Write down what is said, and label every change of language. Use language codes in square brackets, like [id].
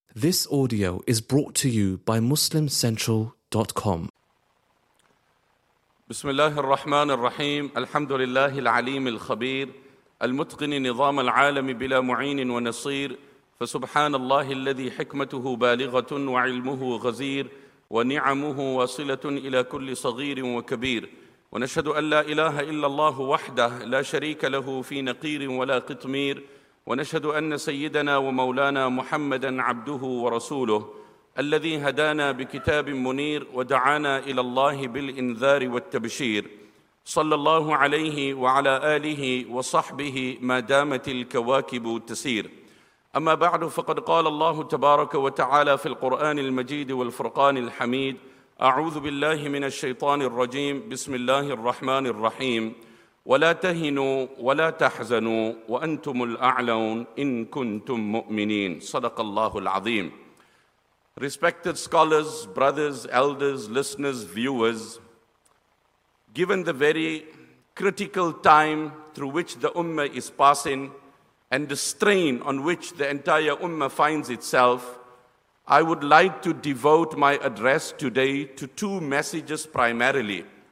[en] This audio is brought to you by MuslimCentral.com. [ar] بسم الله الرحمن الرحيم الحمد لله العليم الخبير المتقن نظام العالم بلا معين ونصير فسبحان الله الذي حكمته بالغة وعلمه غزير ونعمه واصلة إلى كل صغير وكبير ونشهد أن لا إله إلا الله وحده لا شريك له في نقير ولا قطمير ونشهد أن سيدنا ومولانا محمدًا عبده ورسوله الذي هدانا بكتاب منير ودعانا إلى الله بالإنذار والتبشير صلى الله عليه وعلى آله وصحبه ما دامت الكواكب تسير أما بعد فقد قال الله تبارك وتعالى في القرآن المجيد والفرقان الحميد أعوذ بالله من الشيطان الرجيم بسم الله الرحمن الرحيم ولا تهنوا ولا تحزنوا وأنتم الأعلون إن كنتم مؤمنين صدق الله العظيم. [en] Respected scholars, brothers, elders, listeners, viewers, given the very critical time through which the Ummah is passing and the strain on which the entire Ummah finds itself, I would like to devote my address today to two messages primarily.